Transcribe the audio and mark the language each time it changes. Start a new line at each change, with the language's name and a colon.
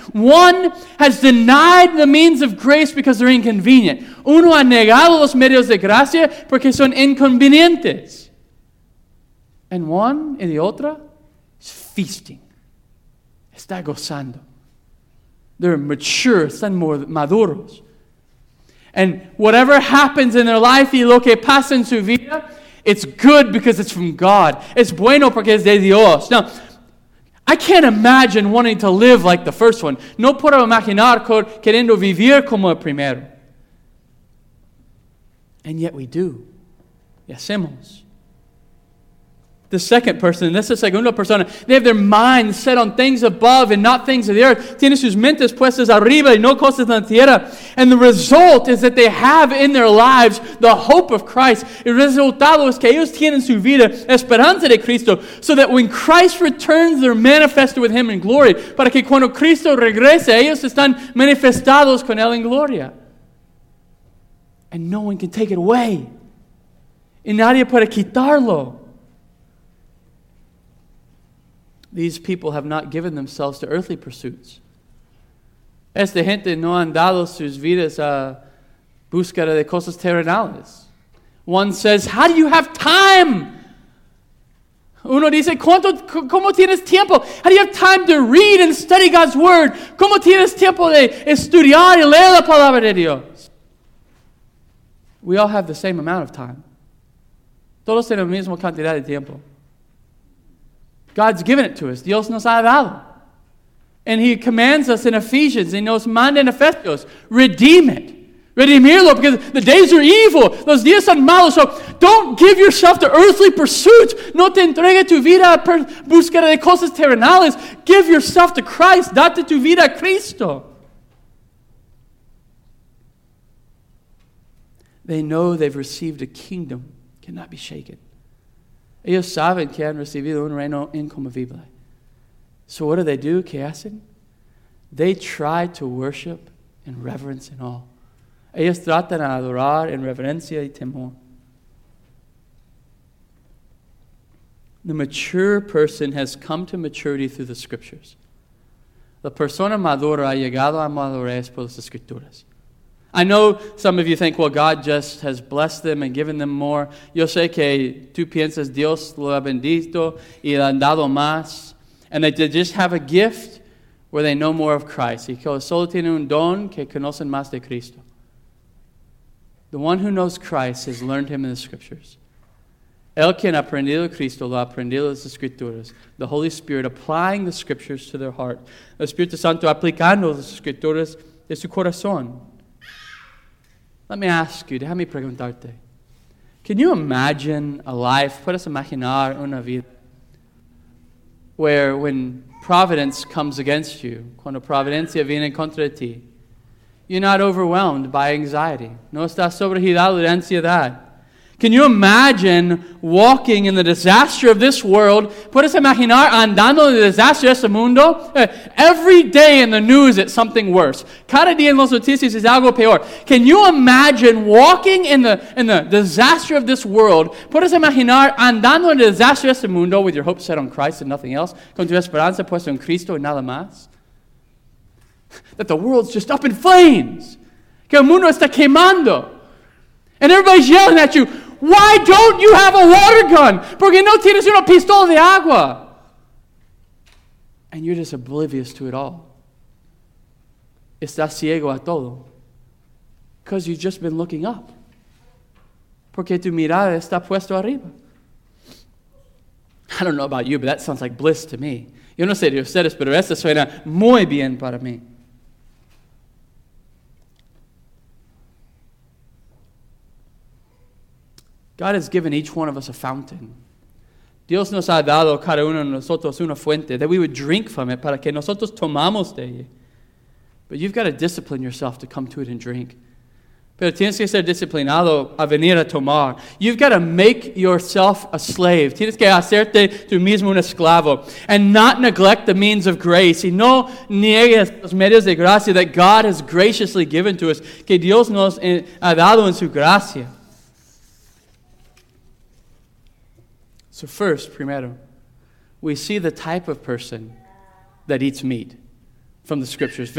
English: One has denied the means of grace because they're inconvenient.
Spanish: Uno ha negado los medios de gracia porque son inconvenientes.
English: And one y the otra is feasting.
Spanish: Está gozando.
English: They're mature.
Spanish: Están maduros.
English: And whatever happens in their life
Spanish: y lo que pasa en su vida,
English: it's good because it's from God.
Spanish: Es bueno porque es de Dios.
English: Now, I can't imagine wanting to live like the first one.
Spanish: No puedo imaginar queriendo vivir como el primero.
English: And yet we do.
Spanish: Y hacemos.
English: The second person, this is segunda persona, they have their minds set on things above and not things of the earth.
Spanish: Tienen sus mentes puestas arriba y no cosas en la tierra.
English: And the result is that they have in their lives the hope of Christ.
Spanish: El resultado es que ellos tienen su vida esperanza de Cristo,
English: so that when Christ returns, they're manifested with him in glory.
Spanish: Para que cuando Cristo regrese, ellos están manifestados con él en gloria.
English: And no one can take it away.
Spanish: Y nadie puede quitarlo.
English: These people have not given themselves to earthly pursuits.
Spanish: Esta gente no han dado sus vidas a búsqueda de cosas terrenales.
English: One says, how do you have time?
Spanish: Uno dice, ¿cómo tienes tiempo?
English: How do you have time to read and study God's word?
Spanish: ¿Cómo tienes tiempo de estudiar y leer la palabra de Dios?
English: We all have the same amount of time.
Spanish: Todos tienen la misma cantidad de tiempo.
English: God's given it to us.
Spanish: Dios nos ha dado.
English: And he commands us in Ephesians.
Spanish: He nos manda en Efesios.
English: Redeem it. Redeemirlo, because the days are evil.
Spanish: Los días son malos.
English: So don't give yourself to earthly pursuits.
Spanish: No te entregue tu vida a búsqueda de cosas terrenales.
English: Give yourself to Christ.
Spanish: Date tu vida a Cristo.
English: They know they've received a kingdom cannot be shaken.
Spanish: Ellos saben que han recibido un reino inconmovible.
English: So what do?
Spanish: ¿Qué hacen?
English: They try to worship in reverence and awe.
Spanish: Ellos tratan de adorar en reverencia y temor.
English: The mature person has come to maturity through the scriptures.
Spanish: La persona madura ha llegado a madurez por las escrituras.
English: I know some of you think, well, God just has blessed them and given them more.
Spanish: Yo sé que tú piensas, Dios lo ha bendito y le han dado más.
English: And they just have a gift where they know more of Christ.
Spanish: Y que solo tienen un don que conocen más de Cristo.
English: The one who knows Christ has learned him in the scriptures.
Spanish: El quien aprendido Cristo lo aprendido las escrituras.
English: The Holy Spirit applying the scriptures to their heart.
Spanish: El Espíritu Santo aplicando las escrituras de su corazón.
English: Let me ask you,
Spanish: déjame preguntarte.
English: Can you imagine a life,
Spanish: puedes imaginar una vida,
English: where when providence comes against you,
Spanish: cuando providencia viene contra ti,
English: you're not overwhelmed by anxiety.
Spanish: No estás sobregirado de ansiedad.
English: Can you imagine walking in the disaster of this world?
Spanish: ¿Puedes imaginar andando en el desastre de este mundo?
English: Every day in the news, it's something worse.
Spanish: Cada día en las noticias es algo peor.
English: Can you imagine walking in the disaster of this world?
Spanish: ¿Puedes imaginar andando en el desastre de este mundo
English: with your hope set on Christ and nothing else?
Spanish: Con tu esperanza puesta en Cristo y nada más?
English: That the world's just up in flames.
Spanish: Que el mundo está quemando.
English: And everybody's yelling at you, why don't you have a water gun?
Spanish: Porque no tienes una pistola de agua.
English: And you're just oblivious to it all.
Spanish: Estás ciego a todo.
English: Because you've just been looking up.
Spanish: Porque tu mirada está puesto arriba.
English: I don't know about you, but that sounds like bliss to me.
Spanish: Yo no sé de ustedes, pero eso suena muy bien para mí.
English: God has given each one of us a fountain.
Spanish: Dios nos ha dado cada uno de nosotros una fuente
English: that we would drink from it
Spanish: para que nosotros tomamos de ella.
English: But you've got to discipline yourself to come to it and drink.
Spanish: Pero tienes que ser disciplinado a venir a tomar.
English: You've got to make yourself a slave.
Spanish: Tienes que hacerte tú mismo un esclavo.
English: And not neglect the means of grace.
Spanish: Y no niegues los medios de gracia
English: that God has graciously given to us.
Spanish: Que Dios nos ha dado en su gracia.
English: So first, primero, we see the type of person that eats meat from the Scriptures.